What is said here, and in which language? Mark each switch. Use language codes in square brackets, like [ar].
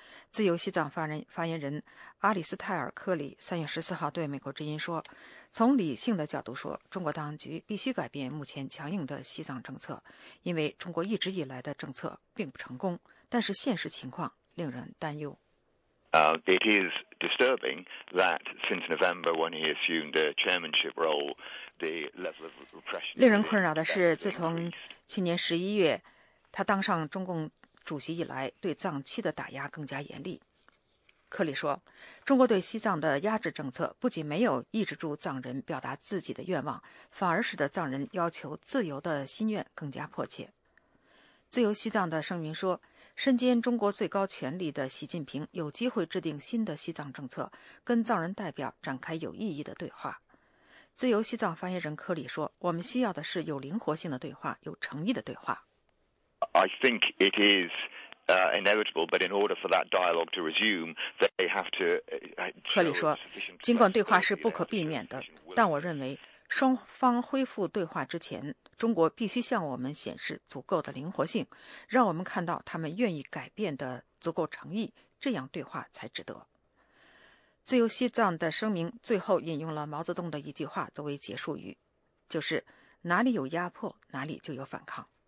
[zh] 自由西藏发言人阿里斯泰尔·科里3月14号对美国之音说，从理性的角度说，中国当局必须改变目前强硬的西藏政策，因为中国一直以来的政策并不成功，但是现实情况令人担忧。 [en] It is disturbing that since November, when he assumed the chairmanship role, the level of repression. [zh] 令人困扰的是，自从去年11月他当上中共主席以来，对藏区的打压更加严厉。克里说，中国对西藏的压制政策不仅没有抑制住藏人表达自己的愿望，反而使得藏人要求自由的心愿更加迫切。自由西藏的声明说，身兼中国最高权力的习近平有机会制定新的西藏政策，跟藏人代表展开有意义的对话。自由西藏发言人科里说，我们需要的是有灵活性的对话，有诚意的对话。 [en] I think it isis inevitable, but in order for that dialogue to resume, they have to. [zh] 科里说，尽管对话是不可避免的，但我认为双方恢复对话之前，中国必须向我们显示足够的灵活性，让我们看到他们愿意改变的足够诚意，这样对话才值得。自由西藏的声明最后引用了毛泽东的一句话作为结束语，就是哪里有压迫，哪里就有反抗。